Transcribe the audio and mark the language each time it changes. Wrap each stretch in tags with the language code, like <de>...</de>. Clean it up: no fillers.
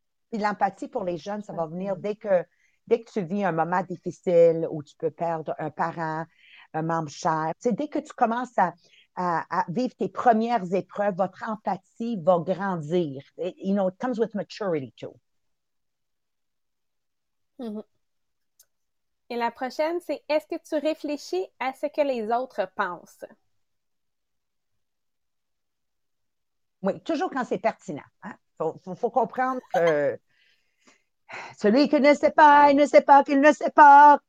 <fr>Puis l'empathie pour les jeunes, ça va venir dès que tu vis un moment difficile où tu peux perdre un parent, un membre cher. C'est dès que tu commences à vivre tes premières épreuves, votre empathie va grandir.</fr> <en>You know, it comes with maturity too.</en> <fr>Et la prochaine, c'est est-ce que tu réfléchis à ce que les autres pensent? Oui, toujours quand c'est pertinent, hein? Faut comprendre que celui qui ne sait pas, il ne sait pas qu'il ne sait pas.</fr>